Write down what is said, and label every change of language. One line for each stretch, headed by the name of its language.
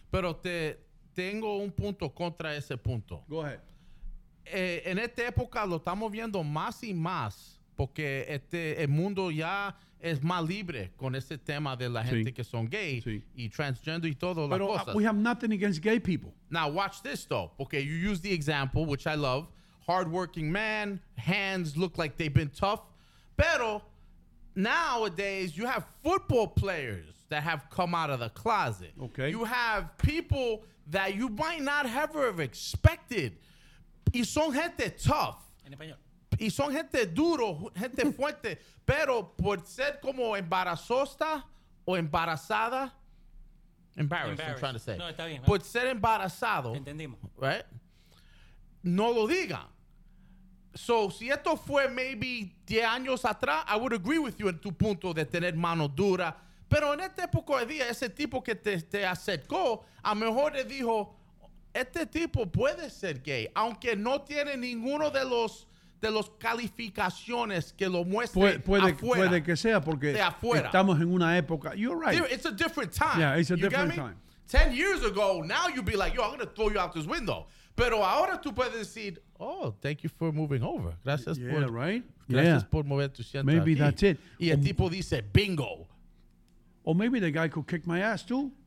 Spanish: Pero tengo un punto contra ese punto.
English: Go ahead.
Spanish: En esta época lo estamos viendo más y más, porque el mundo ya es más libre con ese tema de la gente, sí, que son gay, sí, y transgender y todo. Pero las cosas.
English: We have nothing against gay people. Now watch this though. Okay, you use the example, which I love. Hardworking man, hands look like they've been tough.
Spanish: Pero
English: nowadays you have football players that have come out of the closet. Okay. You have people that you might not ever have expected.
Spanish: Y son gente tough. En español. Y son gente duro, gente fuerte, pero por ser como embarazosa o embarazada,
English: embarrassed, I'm trying to say.
Spanish: No, está bien. Por ser embarazado. Entendimos.
English: Right?
Spanish: No lo digan.
English: So,
Spanish: si esto fue
English: maybe
Spanish: 10 años atrás,
English: I would agree with you
Spanish: en tu punto de tener mano dura, Pero en este poco de día, ese tipo que te acercó, a lo mejor le dijo, este tipo puede ser gay, aunque no tiene ninguno de los calificaciones que lo muestren afuera. Puede que sea porque estamos en una época.
English: You're right. It's a different time. Yeah, it's a different time. 10 years ago, now you'd be like, yo, I'm going to throw you out this window.
Spanish: Pero ahora tú puedes decir,
English: oh, thank you for moving over.
Spanish: Gracias por mover tu asiento.
English: Maybe
Spanish: aquí.
English: That's it.
Spanish: Y el tipo dice, bingo.
English: Or maybe the guy could kick my ass too.